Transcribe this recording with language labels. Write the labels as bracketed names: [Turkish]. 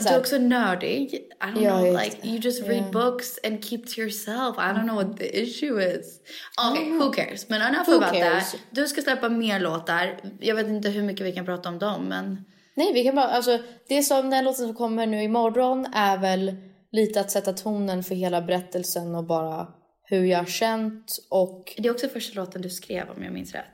[Swedish] såhär. Du är också nördig. [English] I don't know. Like you just read books and keep to yourself. I don't know what the issue is. Okay, who cares? [Swedish] Men [English] enough about that. [Swedish] Du ska släppa mer låtar. Jag vet inte hur mycket vi kan prata om dem, men... Nej, vi kan bara... Alltså, det som den låten som kommer nu imorgon är väl lite att sätta tonen för hela berättelsen och bara hur jag har känt och... Det är också första låten du skrev, om jag minns rätt.